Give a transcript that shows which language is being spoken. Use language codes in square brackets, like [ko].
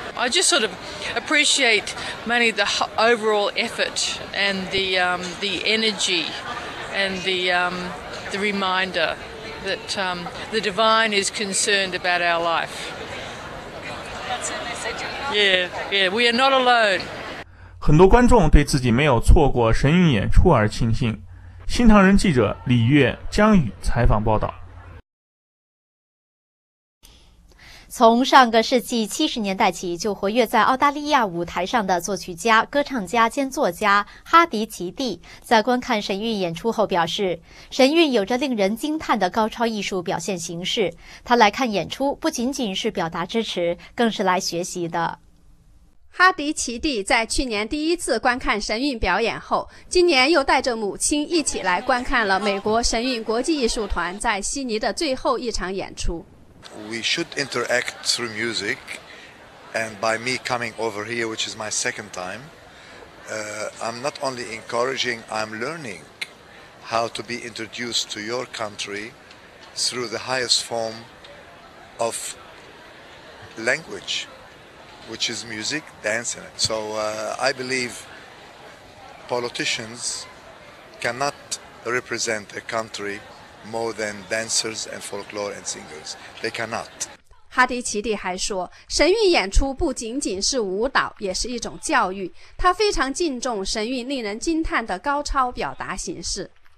[en] I just sort of appreciate mainly the overall effort and the energy and the reminder that the divine is concerned about our life. Yeah, yeah, we are not alone. [zh] 很多观众对自己没有错过神韵演出而庆幸。新唐人记者李月、江宇采访报道。从上个世纪70年代起就活跃在澳大利亚舞台上的作曲家、歌唱家兼作家哈迪·吉蒂，在观看神韵演出后表示，神韵有着令人惊叹的高超艺术表现形式。他来看演出不仅仅是表达支持，更是来学习的。哈迪奇蒂在去年第一次观看神韵表演后，今年又带着母亲一起来观看了美国神韵国际艺术团在悉尼的最后一场演出。 [en] We should interact through music, and by me coming over here, which is my second time, I'm not only encouraging, I'm learning how to be introduced to your country through the highest form of language. Which is music, dance in it. So I believe politicians cannot represent a country more than dancers and folklore and singers. They cannot. [zh] 哈迪奇蒂还说，神韵演出不仅仅是舞蹈，也是一种教育。他非常敬重神韵令人惊叹的高超表达形式。